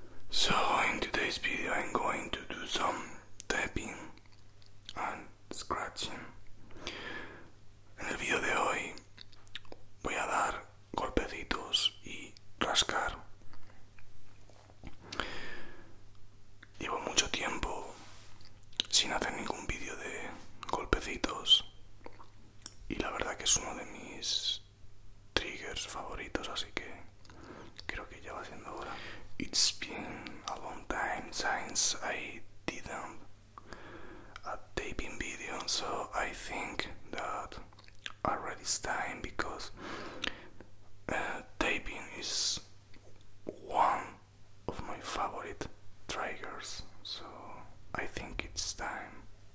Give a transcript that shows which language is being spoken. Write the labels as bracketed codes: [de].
[en] So in today's video I'm going to do some tapping and scratching. [es] En el video de hoy voy a dar golpecitos y rascar. Llevo mucho tiempo sin hacer ningún video de golpecitos y la verdad que es uno de mis triggers favoritos, así que creo que ya va siendo hora. [en] It's been a long time since I didn't a taping video, so I think that already it's time, because taping is one of my favorite triggers, so I think it's time.